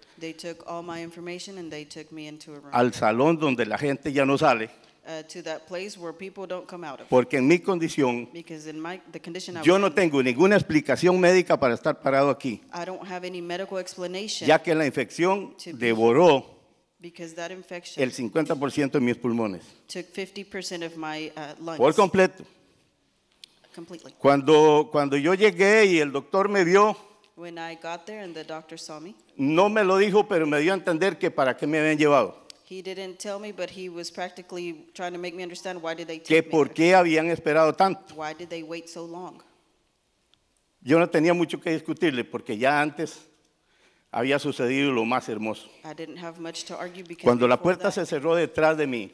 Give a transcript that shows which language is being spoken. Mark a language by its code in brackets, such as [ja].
[en] They took all my information and they took me into a room. [es] Al salón donde la gente ya no sale. [en] To that place where people don't come out of. [es] Porque en mi condición, [en] because in the condition I was in, [es] yo no tengo ninguna explicación médica para estar parado aquí. [en] I don't have any medical explanation. [es] Ya que la infección devoró, [en] because that infection, [es] el 50% de mis pulmones. [en] Took 50% of my lungs. [es] Por completo. [en] Completely. [es] Cuando yo llegué y el doctor me vio, [en] when I got there and the doctor saw me, [es] no me lo dijo, pero me dio a entender que para qué me habían llevado. [en] He didn't tell me, but he was practically trying to make me understand why did they take [es] me. ¿Que por qué habían esperado tanto? [en] Why did they wait so long? [es] Yo no tenía mucho que discutirle porque ya antes había sucedido lo más hermoso. [en] I didn't have much to argue because [es] cuando la puerta se cerró detrás de mí,